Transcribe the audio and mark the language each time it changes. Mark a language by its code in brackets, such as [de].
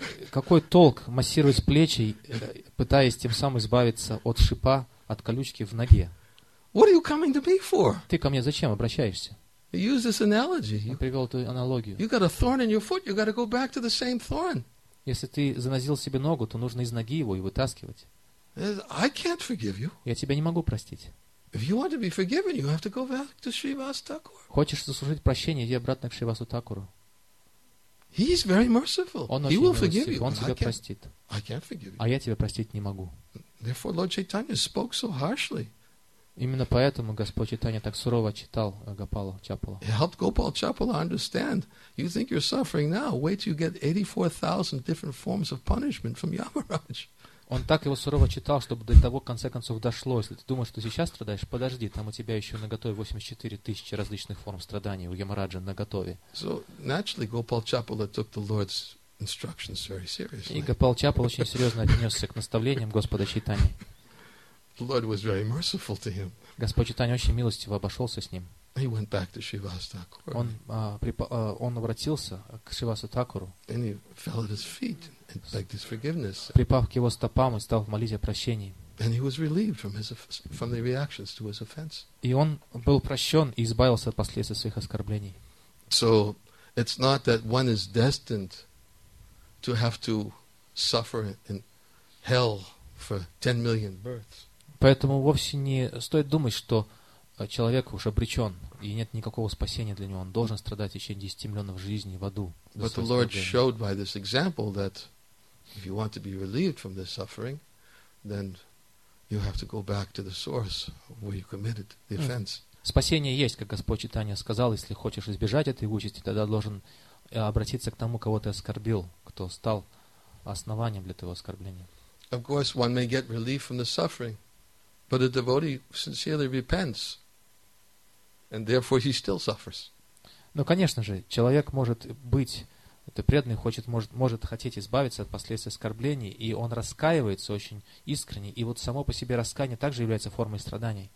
[ru] Какой толк массировать плечи, пытаясь тем самым избавиться от шипа, от колючки в ноге? [en] What are you coming to me for? [ru] Ты ко мне зачем обращаешься? [en] Use this analogy. [ru] Он привел эту аналогию. [en] You got a thorn in your foot. You got to go back to the same thorn. [ru] Если ты занозил себе ногу, то нужно из ноги его и вытаскивать. [en] I can't forgive you. [ru] Я тебя не могу простить. [en] If you want to be forgiven, you have to go back to Srivasa Thakur. [ru] Хочешь заслужить прощение, иди обратно к Шривасу Такуру. [en] He is very merciful. [ru] Он очень милостив. Он тебя простит. [en] I can't forgive you. [ru] А я тебя простить не могу. [en] Therefore, Lord Chaitanya spoke so harshly. [ru] Именно поэтому Господь Чайтанья так сурово читал Гопалу Чапалу. [en] It helped Gopal Chapala understand. You think you're suffering now. Wait till you get 84,000 different forms of punishment from Yamaraj. [ru] Он так его сурово читал, чтобы до того, в конце концов, дошло. Если ты думаешь, что сейчас страдаешь, подожди, там у тебя еще наготове 84 тысячи различных форм страданий у Ямараджа наготове. [en] So, naturally, Gopal Chapala took the Lord's instructions very seriously. [ru] И Гопал Чапал очень серьезно отнесся к наставлениям Господа Чайтаньи. [en] The Lord was very merciful to him. [ru] Господь Чайтанья очень милостиво обошелся с ним. [en] He went back to Srivasa Thakura. [ru] Он обратился к Шривасу Такуру. [en] And he fell at his feet and begged his forgiveness. [ru] Припав к его стопам, он стал молить о прощении. [en] And he was relieved from the reactions to his offense. [ru] И он был прощен и избавился от последствий своих оскорблений. [en] So it's not that one is destined to have to suffer in hell for 10 million births. [ru] Поэтому вовсе не стоит думать, что человек уж обречен, и нет никакого спасения для него. Он должен страдать в течение 10 миллионов жизней в аду. [en] But the Lord showed by this example that if you want to be relieved from this suffering, then you have to go back to the source where you committed the offense. [ru] Спасение есть, как Господь Чайтанья сказал, если хочешь избежать этой участи, тогда должен обратиться к тому, кого ты оскорбил, кто стал основанием для твоего оскорбления. [en] Of course, one may get relief from the suffering, but a devotee sincerely repents, and therefore he still suffers. [ru] Ну, конечно же, человек может быть, это преданный, может хотеть избавиться от последствий оскорблений, и он раскаивается очень искренне, и вот само по себе раскаяние также является формой страданий.